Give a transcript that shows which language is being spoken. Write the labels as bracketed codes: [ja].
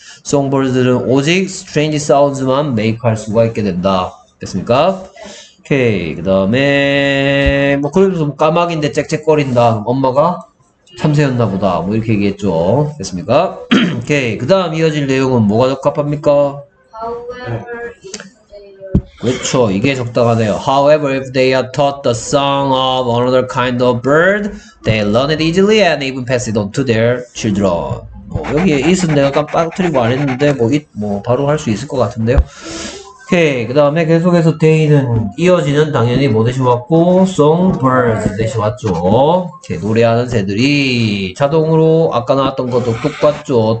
[ko] Songbirds는 오직 [en] strange sounds [ko] 만 make 할 수가 있게 된다. 됐습니까? 오케이. 그 다음에 뭐 그러면서 까마귀인데 짹짹거린다. 엄마가 참새였나 보다. 뭐 이렇게 얘기했죠. 됐습니까? 오케이. 그 다음 이어질 내용은 뭐가 적합합니까? [en] However, [ko] 네. 그렇죠. 이게 적당하네요. [en] However, if they are taught the song of another kind of bird, they learn it easily and even pass it on to their children. [ko] 뭐 여기 is는 내가 빠뜨리고 안 했는데 뭐 it 뭐 바로 할 수 있을 것 같은데요. 오케이. 그 다음에 계속해서 day는 이어지는 당연히 뭐 대신 왔고 songbirds 대신 왔죠. 오케이. 노래하는 새들이 자동으로 아까 나왔던 것도 똑같죠.